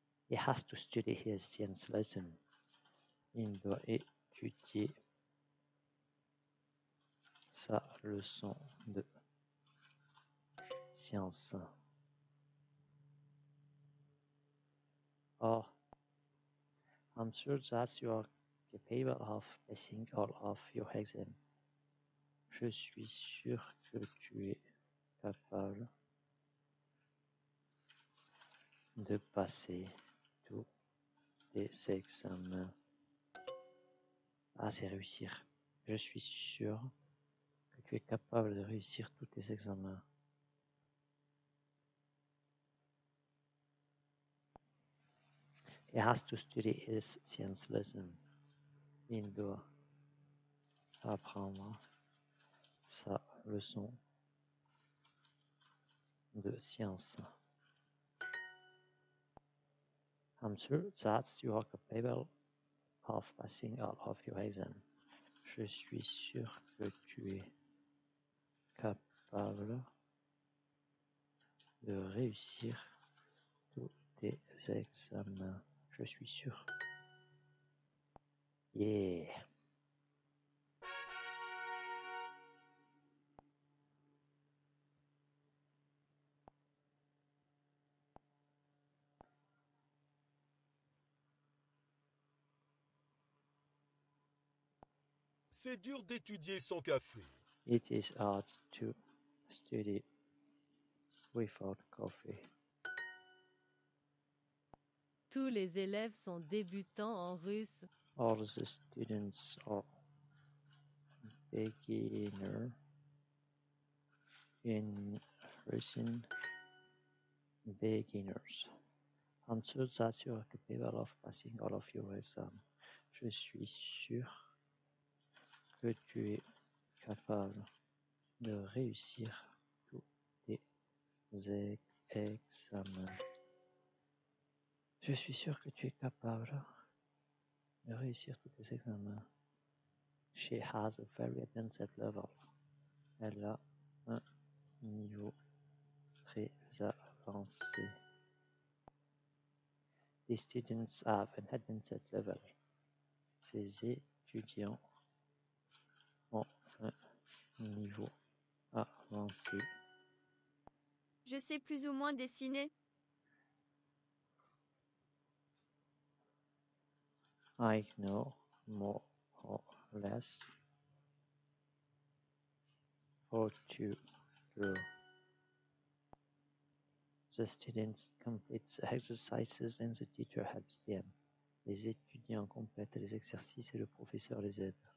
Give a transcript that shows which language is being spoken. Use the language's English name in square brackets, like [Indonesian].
[English] He has to study his science lesson. [French] Il doit étudier sa leçon de science. [English] Or, I'm sure that you are capable of passing all of your exams. [French] Je suis sûr que tu es capable de passer tous tes examens. C'est réussir. Je suis sûr que tu es capable de réussir tous tes examens. [English] He has to study his science lesson. [French] Il doit apprendre sa leçon de science. [English] I'm sure that you are capable of passing all of your exams. [French] Je suis sûr que tu es capable de réussir tous tes examens. Je suis sûr. [English] Yeah. [French] C'est dur d'étudier sans café. [English] It is hard to study without coffee. [French] Tous les élèves sont débutants en russe. [English] All the students are beginner in Russian. Beginners. I'm sure that you are capable of passing all of your exams. [French] Je suis sûr que tu es capable de réussir tous tes examens. Je suis sûr que tu es capable de réussir tous tes examens. [English] She has a very advanced level. [French] Elle a un niveau très avancé. [English] The students have an advanced level. [French] Ces étudiants ont un niveau avancé. Je sais plus ou moins dessiner. [English] I know more or less how to draw. The students complete the exercises and the teacher helps them. [French] Les étudiants complètent les exercices et le professeur les aide.